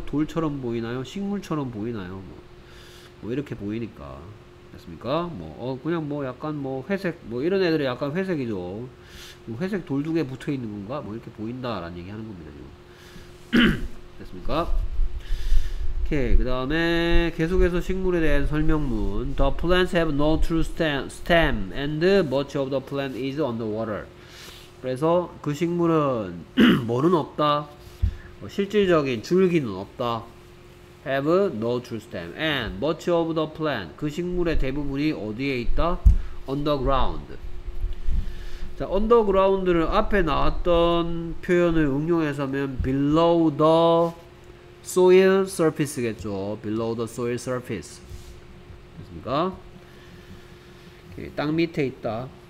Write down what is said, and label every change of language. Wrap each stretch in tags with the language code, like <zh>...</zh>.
<ko>돌처럼 보이나요? 식물처럼 보이나요? 뭐 이렇게 보이니까. 됐습니까? 그냥 뭐 약간 뭐 회색 뭐 이런 애들이 약간 회색이죠. 회색 돌 두 개 붙어 있는 건가? 뭐 이렇게 보인다라는 얘기 하는 겁니다. 됐습니까? 오케이. 그 다음에 계속해서 식물에 대한 설명문.</ko> <en>The plants have no true stem and much of the plant is underwater.</en> <ko>그래서 그 식물은 뭐는 없다. 실질적인 줄기는 없다.</ko> <en>Have no true stem and much of the plant.</en> <ko>그 식물의 대부분이 어디에 있다?</ko> <en>Underground. 자, underground를</en> <ko>앞에 나왔던 표현을 응용해서면</ko> <en>below the soil surface겠죠. Below the soil surface.</en> <ko>됐습니까? 오케이, 땅 밑에 있다.</ko>